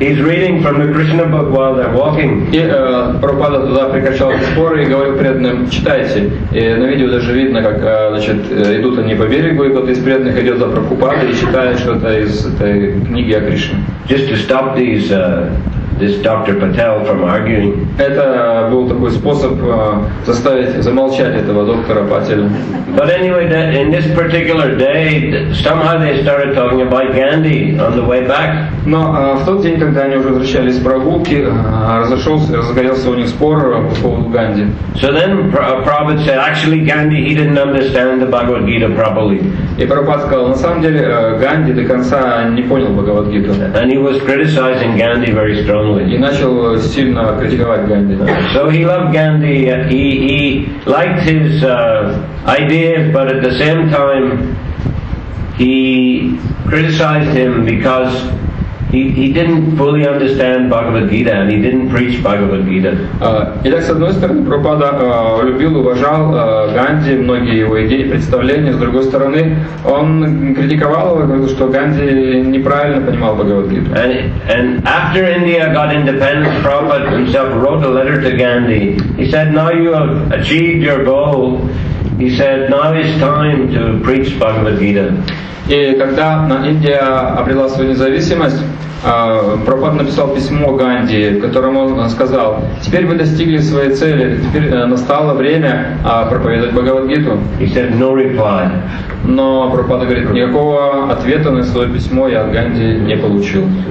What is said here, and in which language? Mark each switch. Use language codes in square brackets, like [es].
[en] He's reading from the Krishna book while they're walking. [ru] Прабхупада тогда прекращал споры и говорил преданным, читайте. И на видео даже видно, как значит, идут они по берегу, и кто-то из преданных идет за Прабхупадой и читает что-то из этой книги о Кришне. [en] Just to stop these this Dr. Patel from arguing. [ru] Это был такой способ заставить замолчать этого доктора Пателя. [en] But anyway, that in this particular day, somehow they started talking about Gandhi on the way back. [ru] Но в тот день, когда они уже возвращались с прогулки, разгорелся у них спор по поводу Ганди. [en] So then Prabhupada said, actually Gandhi, he didn't understand the Bhagavad Gita properly. [ru] И Прабхупада сказал, на самом деле Ганди до конца не понял Бхагавад Гиту. [en] And he was criticizing Gandhi very strongly. [ru] И начал сильно критиковать Ганди. [en] So he loved Gandhi. He liked his ideas, but at the same time he criticized him because he didn't fully understand Bhagavad Gita and he didn't preach Bhagavad Gita. [ru] Итак, с одной стороны, Прабхупада любил, уважал Ганди, многие его идеи, представления. С другой стороны, он критиковал его, говорил, что Ганди неправильно понимал Бхагавад Гиту. [en] And after India got independence, Prabhupada himself wrote a letter to Gandhi. He said, now you have achieved your goal. He said, now it's time to preach Bhagavad Gita. [ru] И когда Индия обрела свою независимость, Прабхупада написал письмо Ганди, в котором он сказал, теперь вы достигли своей цели, теперь настало время проповедовать Бхагавад-гиту. [en] He said, no reply. [ru] Но Прабхупада говорит, никакого ответа на свое письмо я от Ганди не получил.